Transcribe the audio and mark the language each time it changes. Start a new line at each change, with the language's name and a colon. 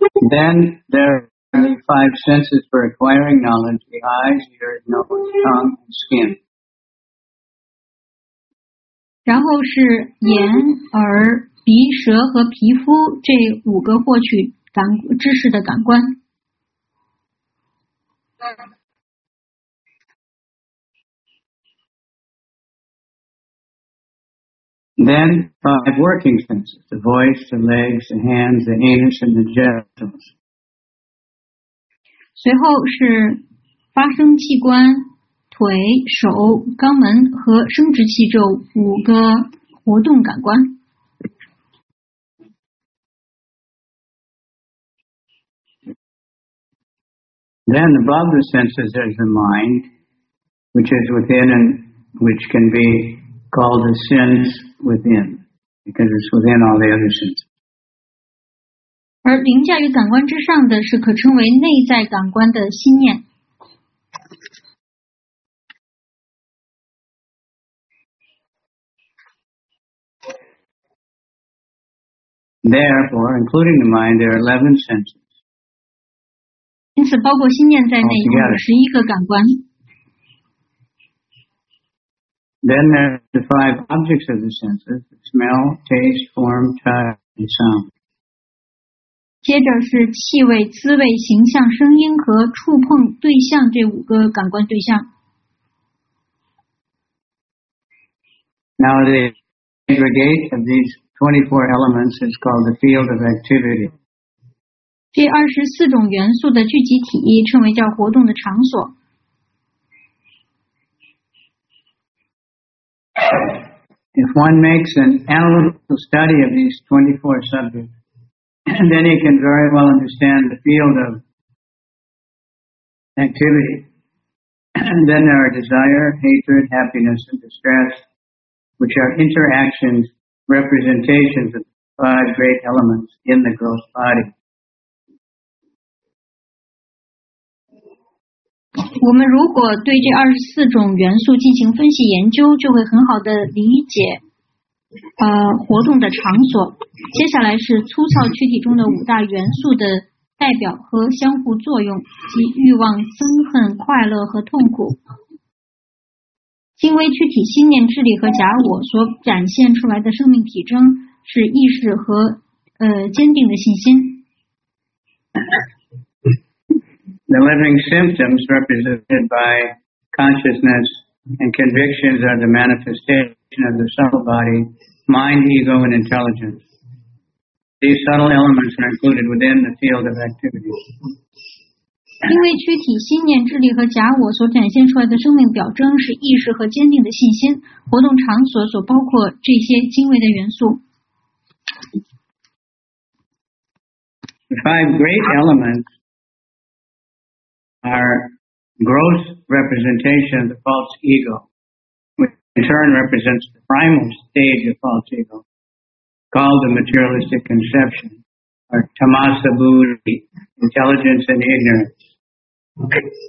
English: Then there are the five senses for acquiring knowledge, the eyes, ears, nose, tongue, and skin.
Chinese: 然后是眼、耳、鼻、舌和皮肤这五个获取知识的感官。
English: Then five working senses, the voice, the legs, the hands, the anus, and the genitals.
Chinese: 随后是发声器官。腿、手、肛门和生殖器这五个活动感官。
English: Then above the senses is the mind, which is within and which can be called the sense within, because it's within all the other senses.
Chinese: 而凌驾于感官之上的是可称为内在感官的心念。
English: Therefore, including the mind, there are 11 senses.
Chinese: 因此包括心念在内有11个感官。
English: Then there are the five objects of the senses, smell, taste, form, touch, and sound.
Chinese: 接着是气味、滋味、形象、声音和触碰对象这五个感官对象。
English: Now the aggregate of these24 elements is called the field of activity.
Chinese: 这24种元素的聚集体称为叫活动的场所。
English: If one makes an analytical study of these 24 subjects, then he can very well understand the field of activity. And then there are desire, hatred, happiness, and distress, which are interactions. Representations of five great elements in the gross body.
Chinese: 我们如果对这24种元素进行分析研究，就会很好的理解，活动的场所。接下来是粗糙躯体中的五大元素的代表和相互作用，即欲望、憎恨、快乐和痛苦。精微躯体心念、智力和假我所展现出来的生命体征是意识和坚定的信心。
English: The living symptoms represented by consciousness and convictions are the manifestation of the subtle body, mind, ego, and intelligence. These subtle elements are included within the field of activity.
Chinese: 因为躯体心念智力和假我所展现出来的生命表征是意识和坚定的信心活动场所所包括这些精微的元素
English: The five great elements are gross representation of the false ego which in turn represents the primal stage of false ego called the materialistic conception or tamasa buddhi intelligence and ignoranceOkay.